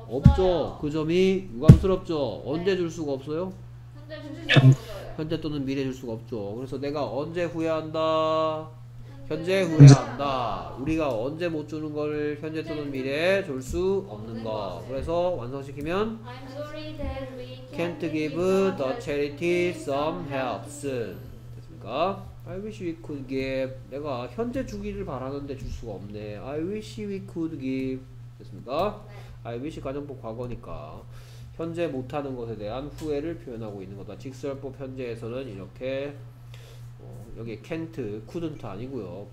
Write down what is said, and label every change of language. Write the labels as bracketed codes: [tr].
[ko] 없어요. 없죠. 그 점이 유감스럽죠. 언제 네. 줄 수가 없어요? 현재 줄 수가 없어요. 현재 또는 미래 줄 수가 없죠. 그래서 내가 언제 후회한다? 현재 후회한다. 우리가 언제 못 주는 걸 현재 또는 미래에 줄 수 없는 거. 그래서 완성시키면 [en] I'm sorry that we can't give the charity some help soon. [ko] 됐습니까? [en] I wish we could give. [ko] 내가 현재 주기를 바라는데 줄 수가 없네. [en] I wish we could give. [ko] 됐습니까? 네. I wish 가정법 과거니까 현재 못하는 것에 대한 후회를 표현하고 있는 거다. 직설법 현재에서는 이렇게 여기 can't, couldn't 아니고요.